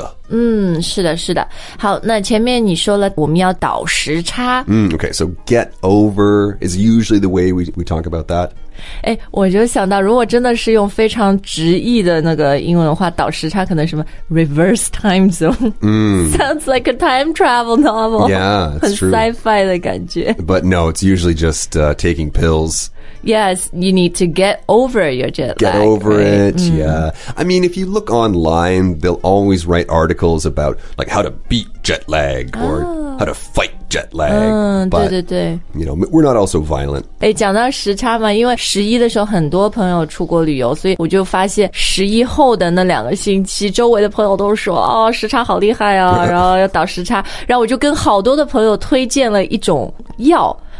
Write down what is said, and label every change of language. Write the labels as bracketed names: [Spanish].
[Chinese] 嗯是的是的好那前面你说了我们要倒时差 [English] 嗯 OK so get over is usually the way we talk about that [Chinese] 诶我就想到如果真的是用非常直译的那个英文的话倒时差可能什么 [English] reverse time zone、 mm. sounds like a time travel novel yeah it's true [Chinese] 很 sci-fi 的感觉 [English] but no it's usually just、taking pills Yes, you need to get over your jet lag. Get over、 right? it,、mm. yeah. I mean, if you look online, they'll always write articles about like, how to beat jet lag、 oh. or how to fight jet lag.、 [Chinese] But, 对对对 [English] you know, we're not also violent. [Chinese] 诶讲到时差嘛因为十一的时候很多朋友出国旅游所以我就发现十一后的那两个星期周围的朋友都说哦时差好厉害啊然后要倒时差。然后我就跟好多的朋友推荐了一种药。